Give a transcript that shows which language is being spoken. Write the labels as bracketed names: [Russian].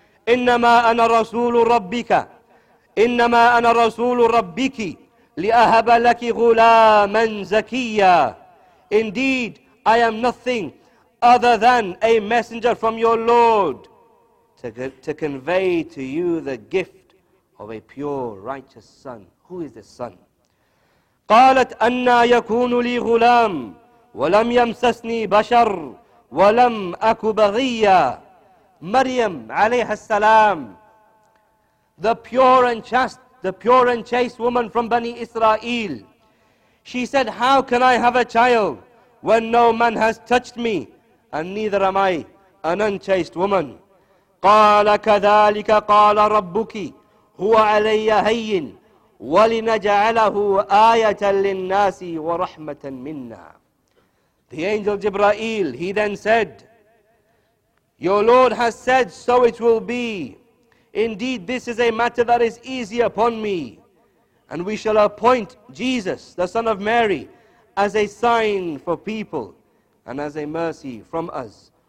[Arabic] Innama ana rasulu rabbiki li'ahaba laki ghulaman zakiyya. [English] Indeed, I am nothing other than a messenger from your Lord to convey to you the gift of a pure, righteous son. Who is this son? [Arabic] قالت أنا يكون لي غلام ولم يمسسني بشر ولم أك بغيا. [English] Maryam عليه السلام, the pure and chaste woman from Bani Israel, she said, how can I have a child when no man has touched me, and neither am I an unchaste woman? [Arabic] قال كذلك قال ربك هو علي هين ولنجعله آية للناس ورحمة منا. [English] The angel Jibreel, he then said, your Lord has said, so it will be. Indeed, this is a matter that is easy upon me. And we shall appoint Jesus, the son of Mary, as a sign for people and as a mercy from us.